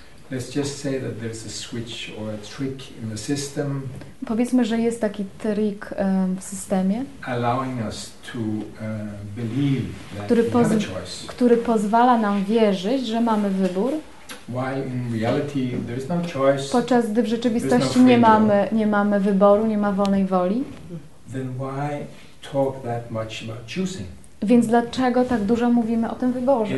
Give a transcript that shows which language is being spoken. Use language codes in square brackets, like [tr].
[en] Let's just say that there's a switch or a trick in the system. [pl] Powiedzmy, że jest taki trik w systemie. [en] Allowing us to believe that we have a choice. [pl] Który pozwala nam wierzyć, że mamy wybór. [en] While in reality there is no choice. [pl] Podczas gdy w rzeczywistości nie mamy wyboru, nie ma wolnej woli. [en] Then why talk that much about choosing? [pl] Więc dlaczego tak dużo mówimy o tym wyborze?